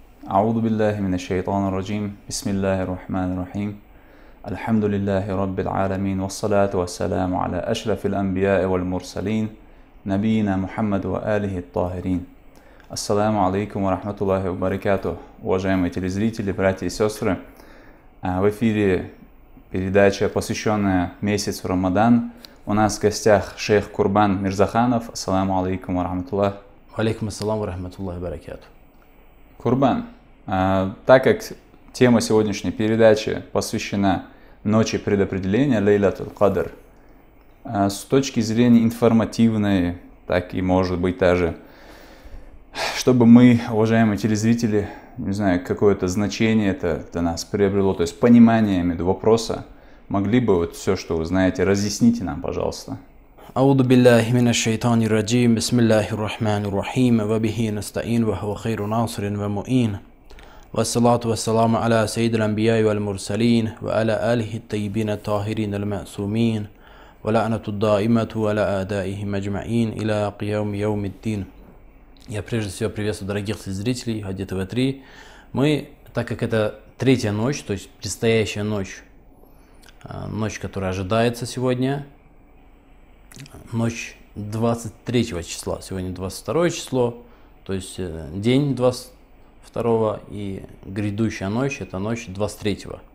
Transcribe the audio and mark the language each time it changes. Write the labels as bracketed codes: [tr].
[ar] أعوذ بالله من الشيطان الرجيم بسم الله الرحمن الرحيم الحمد لله رب العالمين والصلاة والسلام على أشرف الأنبياء والمرسلين نبينا محمد وآله الطاهرين السلام عليكم ورحمة الله وبركاته [ru] уважаемые телезрители, братья и сестры, в эфире передача, посвященная месяцу Рамадан. У нас в гостях шейх Курбан Мирзаханов. Ассаламу алейкум ورحمةullah. [ar] عليكم السلام ورحمة الله وبركاته. [ru] Курбан, так как тема сегодняшней передачи посвящена ночи предопределения, Лейлатул Кадр, с точки зрения информативной, так и может быть даже, чтобы мы, уважаемые телезрители, не знаю, какое-то значение это для нас приобрело, то есть понимание между вопроса, могли бы вот все, что вы знаете, разъясните нам, пожалуйста. [ar] أعوذ بالله من الشيطان الرجيم بسم الله الرحمن الرحيم وبه نستعين وهو خير ناصر ومؤين والصلاة والسلام على سيد الأنبياء والمرسلين وعلى آله الطيبين الطاهرين المعصومين ولعنة الدائمة ولا أدائهم أجمعين إلى قيام يوم الدين. [ru] Я прежде всего приветствую дорогих зрителей Хадит ТВ 3. Мы, так как это третья ночь, то есть предстоящая ночь, ночь, которая ожидается сегодня, ночь 23 числа, сегодня 22 число, то есть день 22 и грядущая ночь, это ночь 23.